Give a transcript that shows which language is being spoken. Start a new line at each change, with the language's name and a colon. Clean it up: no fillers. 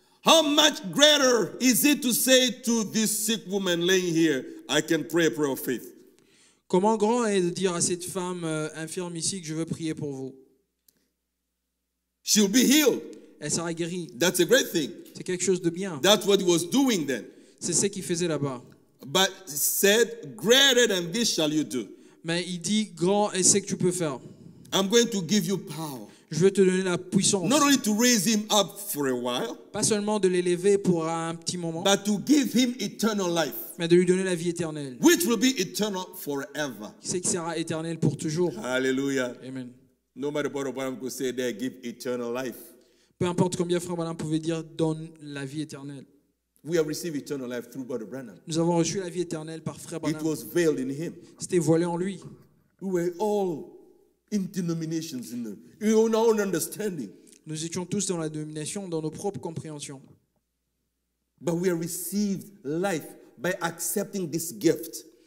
English: How much greater is it to say to this sick woman laying here, I can pray a prayer of faith?
French: Comment grand est de dire à cette femme infirme ici que je veux prier pour vous?
English: She'll be healed.
French: Elle sera guérie.
English: That's a great thing.
French: C'est quelque chose de bien.
English: That's what he was doing then.
French: C'est ce qu'il faisait là-bas.
English: But said, greater than this shall you do.
French: Mais il dit, grand est ce que tu peux faire.
English: I'm going to give you power.
French: Je veux te donner la puissance.
English: Not only to raise him up for a while,
French: pas seulement de l'élever pour un petit moment,
English: but to give him eternal life,
French: mais de lui donner la vie éternelle,
English: which will be eternal forever.
French: C'est qui sera éternel pour toujours.
English: Hallelujah. Amen. No matter what Abraham could say, they give eternal life.
French: Peu importe combien Frère Abraham pouvait dire, donne la vie éternelle.
English: We have received eternal life through Brother Branham.
French: Nous avons reçu la vie éternelle par Frère Abraham.
English: It was veiled in him.
French: C'était voilé en lui.
English: We were all in denominations, in our own understanding.
French: Nous étions tous dans la domination, dans nos propres compréhensions.
English: But we have received life by accepting this gift.